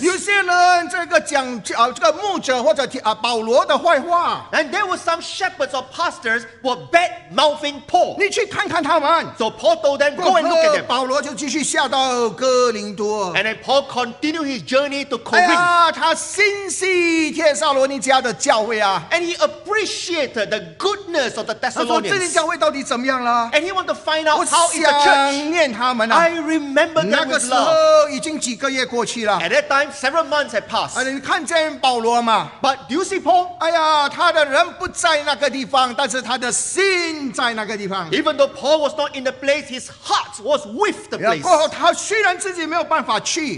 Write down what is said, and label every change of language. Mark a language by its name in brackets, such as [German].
[Chinese] 有些人这个讲, 这个牧者或者保罗的坏话, [English] and there were some shepherds or pastors who were bad mouthing Paul. [Chinese] 你去看看他们, [English] so Paul told them, go and look at them. [Chinese] 保罗就继续下到哥林多, [English] and then Paul continued his journey to Corinth. [Chinese] 哎呀, 他心系帖撒罗尼迦的教会啊, [English] and he appreciated the goodness of the Thessalonians. [Chinese] 他说这间教会到底怎么样了? [English] And he wanted to find out how is the church. I remember them with love. [Chinese] 那个时候已经几个月过去, [English] at that time, several months had passed. [Chinese] 你看见保罗吗? [English] But do you see Paul? [Chinese] 哎呀, 他的人不在那个地方, 但是他的心在那个地方。 [English] Even though Paul was not in the place, his heart was with the place. [Chinese] 过后他虽然自己没有办法去,